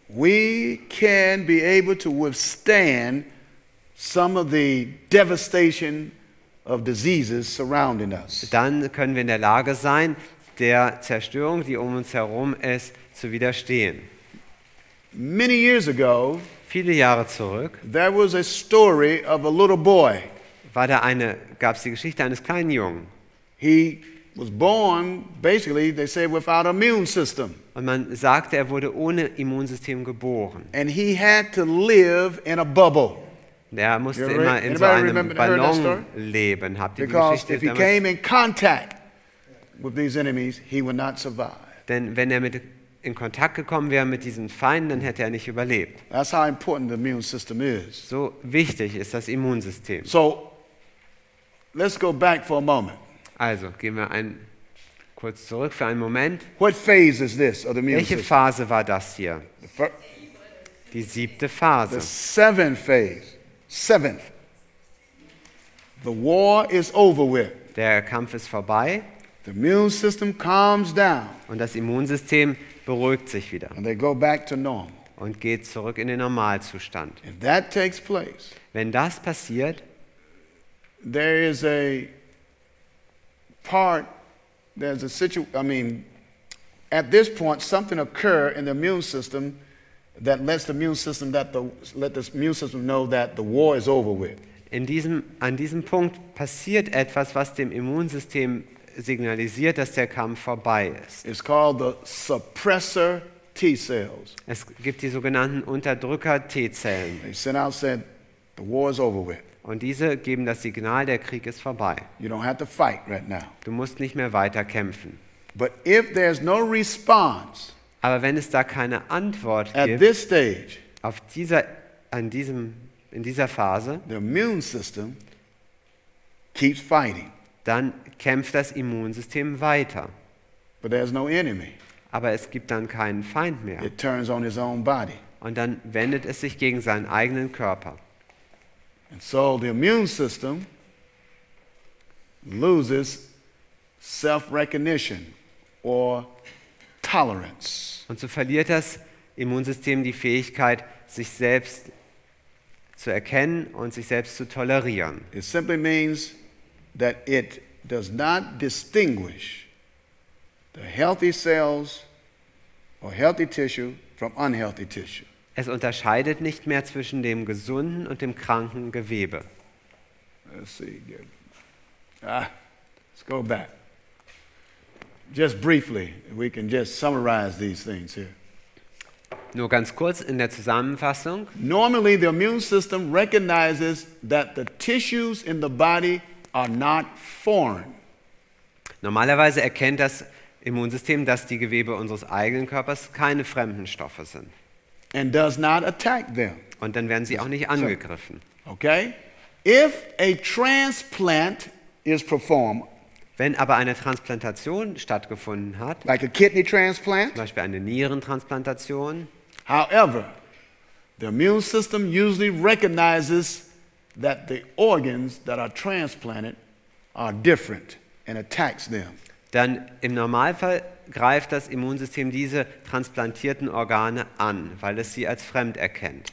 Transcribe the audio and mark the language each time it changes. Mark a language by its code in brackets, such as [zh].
[en] we can be able to withstand some of the devastation of diseases surrounding us. [de] Dann können wir in der Lage sein, der Zerstörung, die um uns herum ist, zu widerstehen. [en] Many years ago, [de] viele Jahre zurück, [en] there was a story of a little boy. [de] Gab es die Geschichte eines kleinen Jungen. [en] He was born, basically, they say, without an immune system. [de] Und man sagt, er wurde ohne Immunsystem geboren. [en] And he had to live in a bubble. [de] Er musste immer in so einem Ballon leben. Habt ihr [en] Because [de] die Geschichte [en] if he came in contact with these enemies, he would not survive. [de] Denn wenn er mit in Kontakt gekommen wäre mit diesen Feinden, dann hätte er nicht überlebt. [en] That's how important the immune system is. [de] So wichtig ist das Immunsystem. [en] So, let's go back for a moment. [de] Also, gehen wir ein kurz zurück für einen Moment. [en] What phase is this of the immune system? [de] Welche Phase war das hier? Die siebte Phase. [en] The seventh phase. Seventh. The war is over with. [de] Der Kampf ist vorbei. [en] The immune system calms down. [de] Und das Immunsystem beruhigt sich wieder. [en] And they go back to normal. [de] Und geht zurück in den Normalzustand. [en] If that takes place, [de] wenn das passiert, [en] there is a part, there's a situation, I mean, at this point, something occurs in the immune system that lets the immune system know that the war is over with. [de] An diesem Punkt passiert etwas, was dem Immunsystem signalisiert, dass der Kampf vorbei ist. [en] It's called the suppressor T cells. [de] Es gibt die sogenannten Unterdrücker T-Zellen. [en] They send out said, the war is over with. [de] Und diese geben das Signal, der Krieg ist vorbei. [en] You don't have to fight right now. [de] Du musst nicht mehr weiter kämpfen. [en] But if there's no response, [de] aber wenn es da keine Antwort [en] at [de] gibt, [en] this stage, [de] auf dieser, an diesem, in dieser Phase, [en] the immune system keeps fighting. [de] Dann kämpft das Immunsystem weiter. [en] But there's no enemy. [de] Aber es gibt dann keinen Feind mehr. [en] It turns on his own body. [de] Und dann wendet es sich gegen seinen eigenen Körper. [en] And so the immune system loses self-recognition or tolerance. [de] Und so verliert das Immunsystem die Fähigkeit, sich selbst zu erkennen und sich selbst zu tolerieren. [en] It simply means that it does not distinguish the healthy cells or healthy tissue from unhealthy tissue. [de] Es unterscheidet nicht mehr zwischen dem gesunden und dem kranken Gewebe. [en] Let's see. Let's go back. Just briefly, we can just summarize these things here. [de] Nur ganz kurz in der Zusammenfassung. [en] Normally, the immune system recognizes that the tissues in the body are not foreign. [de] Normalerweise erkennt das Immunsystem, dass die Gewebe unseres eigenen Körpers keine fremden Stoffe sind. [en] And does not attack them. [de] Und dann werden sie auch nicht angegriffen. [en] Okay. If a transplant is performed, [de] wenn aber eine Transplantation stattgefunden hat, [en] like a kidney transplant, [de] zum Beispiel eine Nierentransplantation, [en] however, the immune system usually recognizes that the organs that are transplanted are different and attacks them. [de] Dann im Normalfall greift das Immunsystem diese transplantierten Organe an, weil es sie als fremd erkennt.